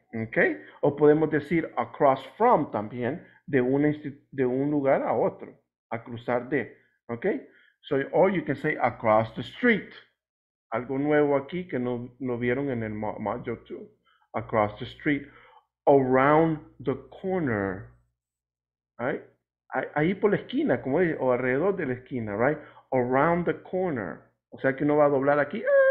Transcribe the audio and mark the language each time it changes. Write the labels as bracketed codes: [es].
[es] Okay, o podemos decir across from también, de un lugar a otro, a cruzar de, okay? [en] So, or you can say across the street. [es] Algo nuevo aquí que no vieron en el module 2. [en] Across the street. Around the corner, right? [es] Ahí por la esquina, como dice, o alrededor de la esquina, [en] right? Around the corner. [es] O sea que uno va a doblar aquí.